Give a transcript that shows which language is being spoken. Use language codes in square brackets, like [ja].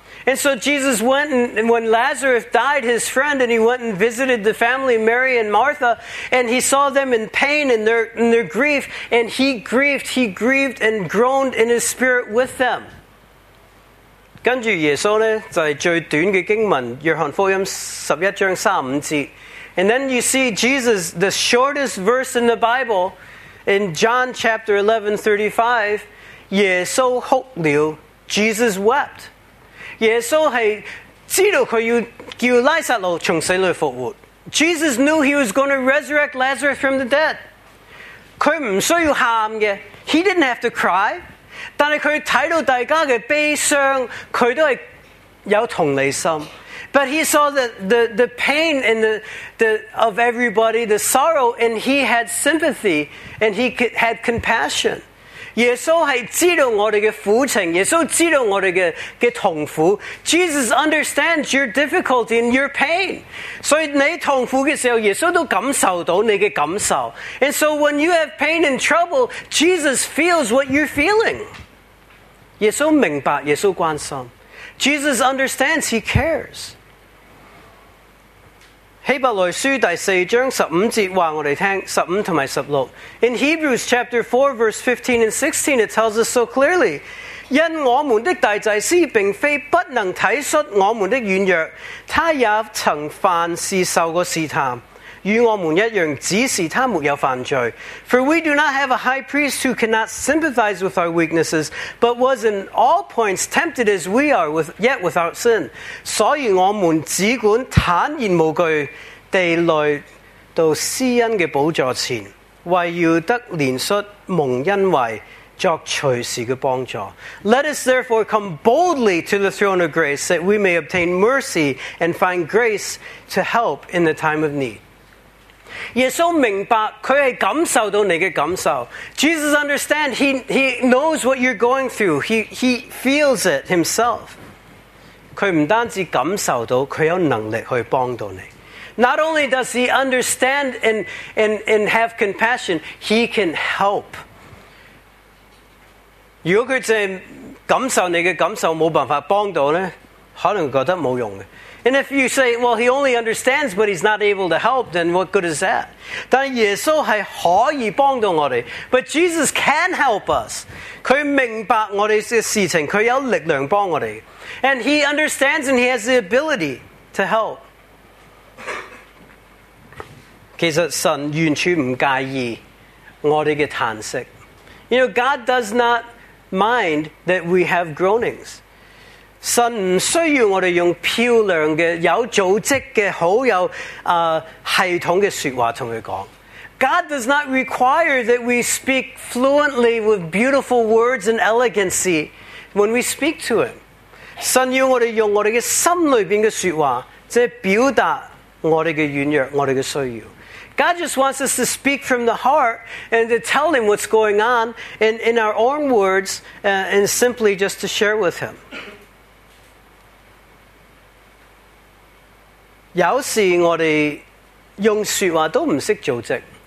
[en] And so Jesus went, and when Lazarus died, his friend, and he went and visited the family, Mary and Martha, and he saw them in pain and their grief, and he grieved and groaned in his spirit with them. [yue] 跟住耶稣呢，就是最短的经文，约翰福音十一章三十五节。 [en] And then you see Jesus, the shortest verse in the Bible, in John chapter 11:35, [yue] 耶稣哭了 [en] ，Jesus wept. [yue] 耶稣是知道他要叫拉撒路从死里复活。 [en] Jesus knew he was going to resurrect Lazarus from the dead. [yue] 他不需要喊的 [en] ，He didn't have to cry. [yue] 但是他看到大家的悲伤，他都是有同理心。 [en] But he saw the pain and the of everybody, the sorrow, and he had sympathy and he had compassion. [yue] 耶稣是知道我们的苦情，耶稣知道我们的痛苦。 [en] Jesus understands your difficulty and your pain. [yue] 所以你痛苦的时候，耶稣都感受到你的感受。 [en] And so when you have pain and trouble, Jesus feels what you're feeling. [yue] 耶稣明白，耶稣关心。 [en] Jesus understands, he cares. [yue] 希伯来书第四章十五节话我哋听，十五同埋十六。 [en] In Hebrews chapter 4, verse 15 and 16, it tells us so clearly, [yue] 因我们的大祭司并非不能体恤我们的软弱，他也曾凡事受过试探。与我们一样，只是他没有犯罪。 [en] For we do not have a high priest who cannot sympathize with our weaknesses, but was in all points tempted as we are, yet without sin. [yue] 所以我们只管坦然无惧地来到施恩的宝座前，为要得怜恤蒙恩惠。 [en] Let us therefore come boldly to the throne of grace that we may obtain mercy and find grace to help in the time of need. 耶稣明白他是感受到你的感受。 Jesus understand he knows what you're going through. He feels it himself. [yue] 他不单止感受到，他有能力去帮到你。 [en] Not only does he understand and have compassion, he can help. [yue] 如果他只是感受你的感受，没办法帮到呢，可能觉得没用的。 [en] And if you say, well, he only understands, but he's not able to help, then what good is that? [yue] 但耶稣是可以帮到我们。 [en] But Jesus can help us. [yue] 他明白我们的事情，他有力量帮我们。 [en] And he understands and he has the ability to help. [yue] 其实神完全不介意我们的叹息。 [en] You know, God does notmind that we have groanings. [yue] 神不需要我们用漂亮的有组织的好有系统的说话跟他说。 [en] God does not require that we speak fluently with beautiful words and elegancy when we speak to him. [yue] 神要我们用我们的心里面的说话即是表达我们的软弱我们的需要。 [en] God just wants us to speak from the heart and to tell him what's going on in our own words and simply just to share with him. [yue] 有时我哋用说话都唔识组织。